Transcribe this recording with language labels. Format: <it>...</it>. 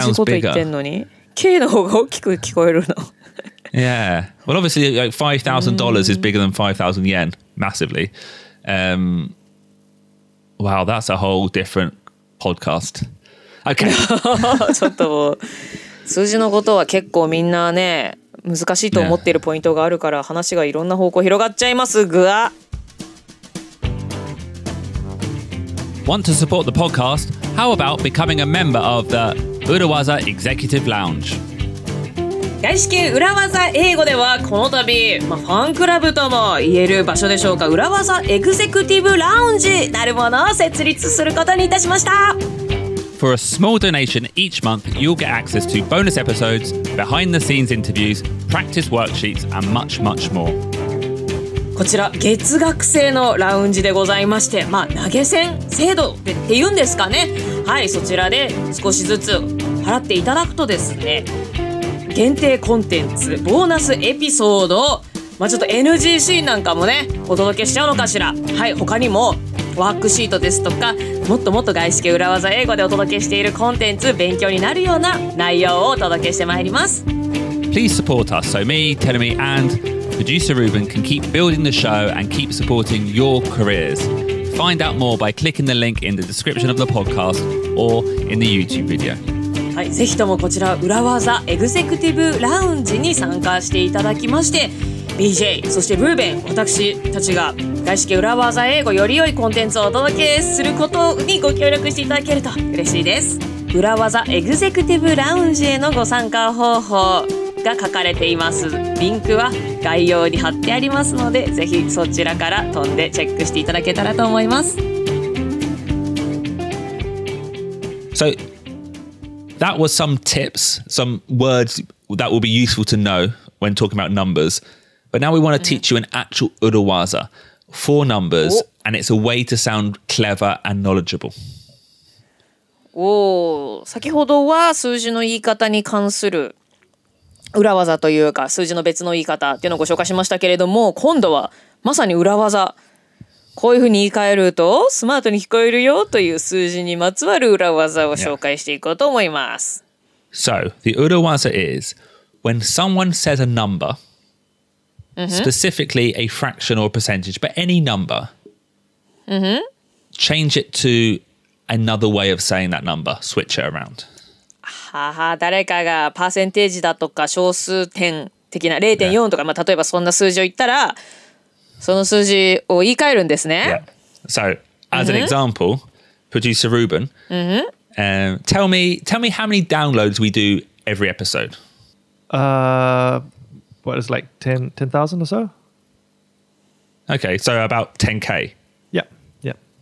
<ja>同じこと言ってんのに、 K の方が大きく聞こえるの。</ja> <en>Yeah. Well, obviously, like $5,000 is bigger than 5,000 yen, massively. Wow, that's a whole different... Podcast. Okay.</en> <ja>ちょっと数字のことは結構みんなね難しいと思っているポイントがあるから話がいろんな方向広がっちゃいますぐわ。</ja> <en>Want to support the podcast? How about becoming a member of the Urawaza Executive Lounge?</en> <ja>外資系裏技英語ではこの度、まあ、ファンクラブとも言える場所でしょうか、裏技エグゼクティブラウンジなるものを設立することにいたしました。</ja> <en>For a small donation each month, you'll get access to bonus episodes, behind the scenes interviews, practice worksheets, and much, much more.</en> <ja>こちら月額制のラウンジでございまして、まあ、投げ銭制度っていうんですかね、はい、そちらで少しずつ払っていただくとですね、限定コンテンツ、ボーナスエピソード、まあ、ちょっと NG シーンなんかもねお届けしちゃうのかしら、はい、他にもワークシートですとか、もっともっと外資系裏技英語でお届けしているコンテンツ、勉強になるような内容をお届けしてまいります。</ja> <en>Please support us so me, Tanami and producer Ruben can keep building the show and keep supporting your careers. Find out more by clicking the link in the description of the podcast or in the YouTube video.</en> <ja>はい、ぜひともこちら裏技エグゼクティブラウンジに参加していただきまして、 BJ そしてルーベン、私たちが外資系裏技英語より良いコンテンツをお届けすることにご協力していただけると嬉しいです。裏技エグゼクティブラウンジへのご参加方法が書かれています。リンクは概要に貼ってありますので、ぜひそちらから飛んでチェックしていただけたらと思います。</ja> <en>So that was some tips, some words that will be useful to know when talking about numbers. But now we want to teach you an actual urawaza for numbers, and it's a way to sound clever and knowledgeable.</en> <ja>Oh, 先ほどは数字の言い方に関する裏技というか数字の別の言い方っていうのをご紹介しましたけれども、今度はまさに裏技、こういうふうに言い換えるとスマートに聞こえるよという数字にまつわる裏技を紹介していこうと思います。</ja> <en>Yeah. So, the 裏技 is when someone says a number,、mm-hmm. specifically a fraction or percentage, but any number,、 mm-hmm. change it to another way of saying that number, switch it around.</en> <ja>はは、誰かがパーセンテージだとか小数点的な 0.4 とか、yeah. まあ例えばそんな数字を言ったら、その数字を言い換えるんですね。</ja> <en>Yeah. So, as an example,、mm-hmm. producer Ruben,、 mm-hmm. tell me how many downloads we do every episode. What is like 10,000 or so? Okay, so about 10K. Yeah, yeah.</en>